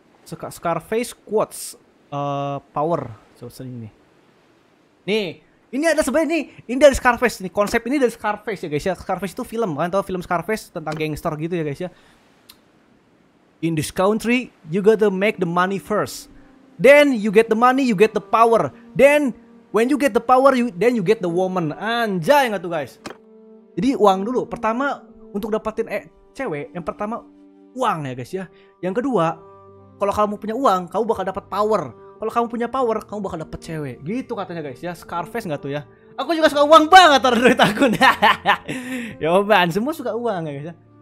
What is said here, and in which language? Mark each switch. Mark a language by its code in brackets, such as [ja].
[id] Scarface quotes power sebesar ini. Nih, ini ada sebenarnya ini dari Scarface nih. Konsep ini dari Scarface ya, guys ya. Scarface itu film, kalian tahu film Scarface tentang gangster gitu ya, guys ya. [en] In this country, you got to make the money first. Then you get the money, you get the power. Then when you get the power, then you get the woman. [id] Anjay gak tuh guys. Jadi uang dulu. Pertama, untuk dapetin cewek, yang pertama uang ya guys ya. Yang kedua, kalau kamu punya uang, kamu bakal dapat power. Kalau kamu punya power, kamu bakal dapat cewek. Gitu katanya guys ya. Scarface gak tuh ya. Aku juga suka uang banget, taruh duit akun. Yoban, semua suka uang ya guys ya.